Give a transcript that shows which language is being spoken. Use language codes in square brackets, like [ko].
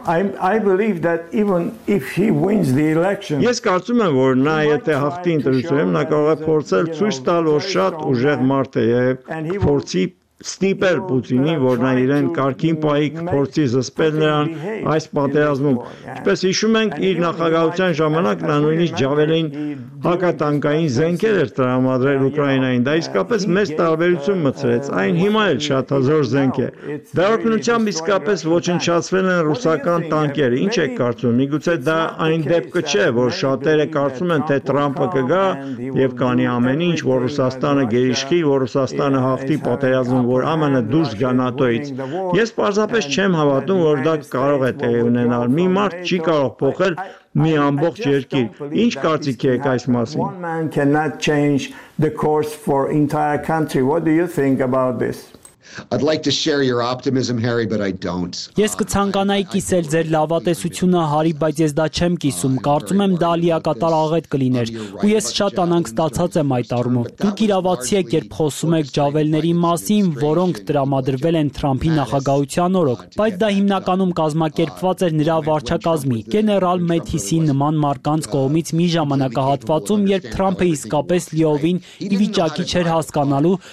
[en] I believe that even if he wins the election. [hy] Ես կարծում եմ, որ նա եթե հաղթի ընտրությունը, նա կարող է փորձել ցույց տալ, որ շատ ուժեղ մարդ է եւ փորձի Ստիպեր Պուտինի, որ նա իրեն կարգին պահի փորձի զսպել նրան այս պատերազմում։ Ինչպես հիշում ենք, իր նախագահության ժամանակ նա նույնիսկ ջավելին հակատանկային զենքեր էր տրամադրել Ուկրաինային, դա իսկապես մեծ տարբերություն մտցրեց, այն հիմա էլ շատ հզոր զենք է։ Դա օգնությամբ իսկապես ոչնչացվել են ռուսական տանկերը։ Ինչ եք կարծում, միգուցե դա այն դեպքը չէ, որ շատերը կարծում են, թե Թրամփը կգա եւ կանի ամեն ինչ, որ Ռուսաստանը գերիշխի, որ Ռուսաստանը հաղթի պատերազմում։ որ ԱՄՆ-ը դուրս գա ՆԱՏՕ-ից։ Ես պարզապես չեմ հավատում, որ դա կարող է տեղի ունենալ։ Մի մարդ չի կարող փոխել մի ամբողջ երկիր։ Ինչ կարծիք եք այս մասին։ [en] One man cannot change the course for entire country. What do you think about this? I'd like to share your optimism, Harry, but I don't. [hy] Ես կցանկանայի կիսել ձեր լավատեսությունը, Հարի, բայց ես դա չեմ կիսում։ Կարծում եմ դա լիակատար աղետ կլիներ, ու ես շատ անանգ ստացած եմ այդ առումով։ Դուք իրավացի եք, երբ խոսում եք ջավելների մասին, որոնք տրամադրվել են Թրամփի նախագահության օրոք, բայց դա հիմնականում կազմակերպված էր նրա վարչակազմի, գեներալ Մեթիսի նման մարդկանց կողմից մի ժամանակահատվածում, երբ Թրամփը իսկապես լիովին ի վիճակի չէր հասկանալու,